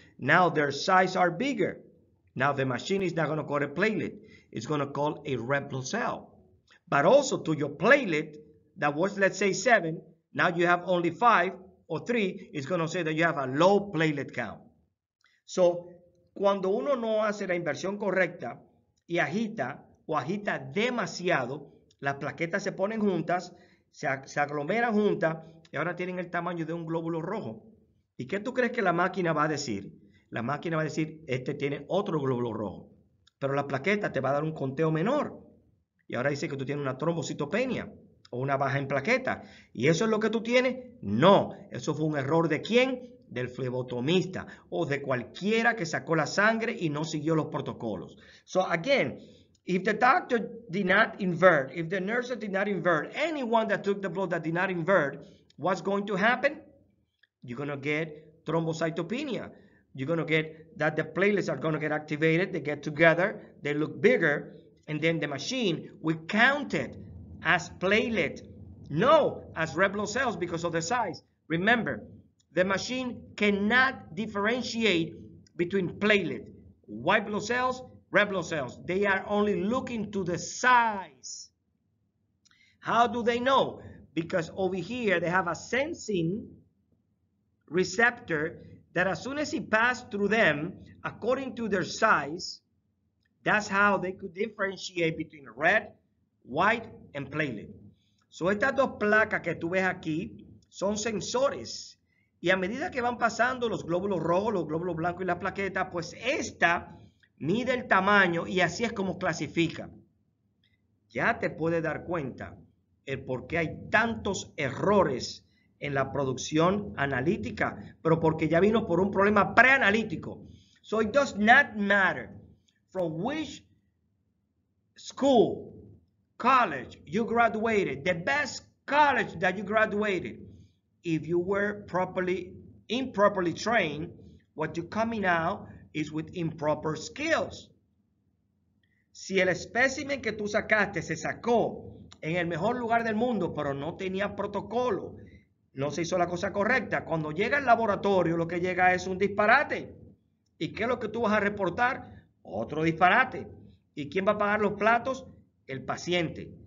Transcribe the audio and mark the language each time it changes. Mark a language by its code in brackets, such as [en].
[en] Now their size are bigger. Now the machine is not going to call a platelet. It's going to call a red blood cell. But also to your platelet that was, let's say, 7, now you have only 5 or 3, it's going to say that you have a low platelet count. [es] So, cuando uno no hace la inversión correcta y agita o agita demasiado, las plaquetas se ponen juntas, se aglomeran juntas y ahora tienen el tamaño de un glóbulo rojo. ¿Y qué tú crees que la máquina va a decir? La máquina va a decir, este tiene otro glóbulo rojo, pero la plaqueta te va a dar un conteo menor. Y ahora dice que tú tienes una trombocitopenia o una baja en plaqueta. ¿Y eso es lo que tú tienes? No. ¿Eso fue un error de quién? Del flebotomista o de cualquiera que sacó la sangre y no siguió los protocolos. [en] So again, if the doctor did not invert, if the nurses did not invert, anyone that took the blood that did not invert, what's going to happen? You're going to get thrombocytopenia. You're going to get that the platelets are going to get activated. They get together. They look bigger. And then the machine will count it as platelet. No, as red blood cells because of the size. Remember, the machine cannot differentiate between platelet, white blood cells, red blood cells. They are only looking to the size. How do they know? Because over here, they have a sensing receptor that as soon as it passed through them, according to their size, that's how they could differentiate between red, white, and platelet. [es] So estas dos placas que tú ves aquí son sensores. Y a medida que van pasando los glóbulos rojos, los glóbulos blancos y la plaqueta, pues esta mide el tamaño y así es como clasifica. Ya te puedes dar cuenta el por qué hay tantos errores en la producción analítica, pero porque ya vino por un problema preanalítico. [en] So it does not matter from which school, college you graduated, the best college that you graduated, if you were improperly trained, what you're coming out is with improper skills. [es] Si el specimen que tú sacaste se sacó en el mejor lugar del mundo, pero no tenía protocolo, no se hizo la cosa correcta, cuando llega al laboratorio, lo que llega es un disparate. ¿Y qué es lo que tú vas a reportar? Otro disparate. ¿Y quién va a pagar los platos? El paciente.